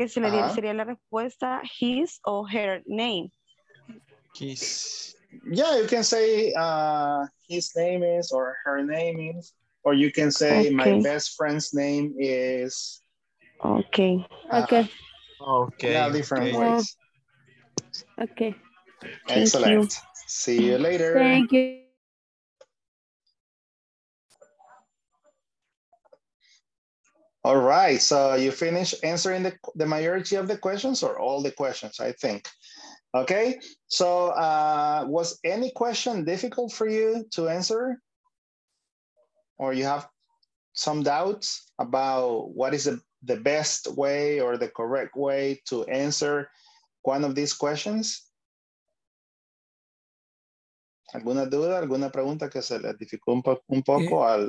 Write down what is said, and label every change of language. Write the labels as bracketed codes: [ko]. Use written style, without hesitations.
[es] Que se le diría, sería la respuesta [en] his or her name. His. Yeah, you can say his name is or her name is, or you can say my best friend's name is. Okay. Okay. Okay. Yeah, different ways. Okay. Excellent. You. See you later. Thank you. All right. So you finish answering the majority of the questions or all the questions, I think. Okay. So was any question difficult for you to answer? Or you have some doubts about what is the best way or the correct way to answer one of these questions? [es] ¿Alguna duda, alguna pregunta que se le dificultó un poco al